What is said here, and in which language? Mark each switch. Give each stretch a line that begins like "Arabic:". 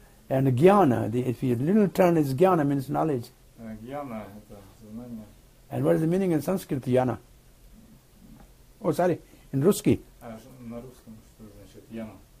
English: And gyana, if your little turn is gyana, means knowledge.
Russian: Gyana это знание.
English: And what is the meaning in Sanskrit, yana? Oh, sorry, in Russian.
Russian: На русском что значит yana?